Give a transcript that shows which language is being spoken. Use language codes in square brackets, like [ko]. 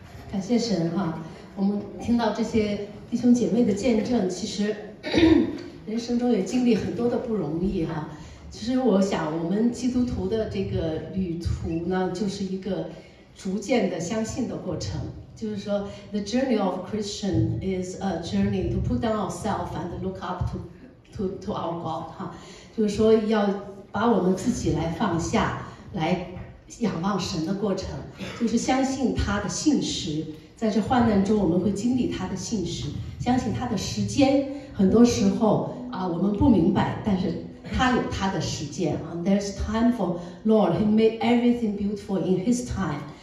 [zh] 感谢神哈，我们听到这些弟兄姐妹的见证，其实人生中也经历很多的不容易哈。其实我想，我们基督徒的这个旅途呢，就是一个逐渐的相信的过程。就是说 [en] ，the journey of Christian is a journey to put down ourselves and look up to our God 哈。 [zh] 就是说，要把我们自己来放下来。仰望神的过程，就是相信他的信实。在这患难中，我们会经历他的信实，相信他的时间。很多时候啊，我们不明白，但是他有他的时间啊。 [en] There's time for Lord. He made everything beautiful in His time.